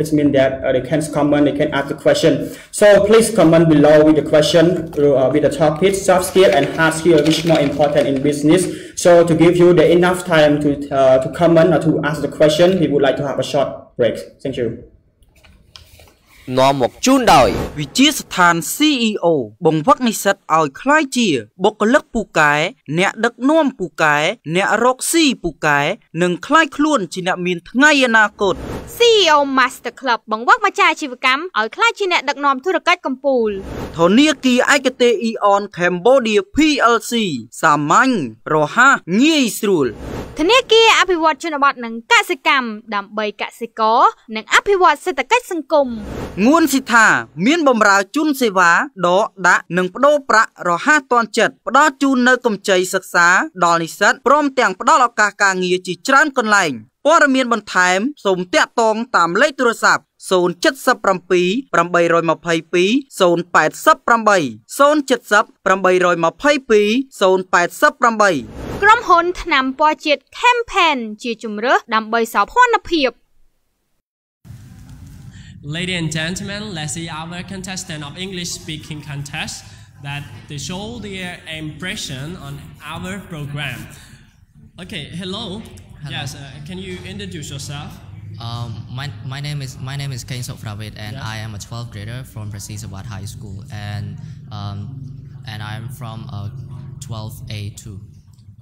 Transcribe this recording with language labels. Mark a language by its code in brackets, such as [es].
[en] It means that they can comment, they can ask the question. So please comment below with the question with the topic soft skill and hard skill, which more important in business. So to give you the enough time to comment or to ask the question, we would like to have a short break. Thank you. [km] នាំមកជូនដោយវិទ្យាស្ថាន CEO បង្វឹកនិស្សិតឲ្យក្លាយជាបុគ្គលិកពូកែអ្នកដឹកនាំពូកែអ្នករកស៊ីពូកែនិងក្លាយខ្លួនជាអ្នកមានថ្ងៃអនាគត CEO Master Club បង្វឹកមកចាអាជីវកម្មឲ្យក្លាយជាអ្នកដឹកនាំធុរកិច្ចកំពូល ធនាគារឯកទេស Eon Cambodia PLC សាមញ្ញរហ័សងាយស្រួល ធនាគារអភិវឌ្ឍជនបទនិងកសិកម្មដើម្បីកសិករនិងអភិវឌ្ឍសេដ្ឋកិច្ចសង្គម ងួនសិដ្ឋាមានបម្រើជូនសេវាដកដាក់និងបដូរប្រាក់រហ័សទាន់ចិត្តផ្ដល់ជូននៅកម្ចីសិក្សាដល់និស្សិតព្រមទាំងផ្ដល់ឱកាសការងារជាច្រើនកន្លែងព័ត៌មានបន្ថែមសូមទាក់ទងតាមលេខទូរស័ព្ទ077 822 282 088 070 822 088 ក្រុមហ៊ុនថ្នាំពណ៌ជាតិ Campaign ជាជម្រើសដើម្បីសោភ័ណភាព [en] Ladies and gentlemen, let's see our contestant of English speaking contest that they show their impression on our program. Okay, hello. Yes, can you introduce yourself? My name is Ken Sokpanha, and yeah. I am a 12th grader from Prasee Sawat High School, and I'm from 12A2.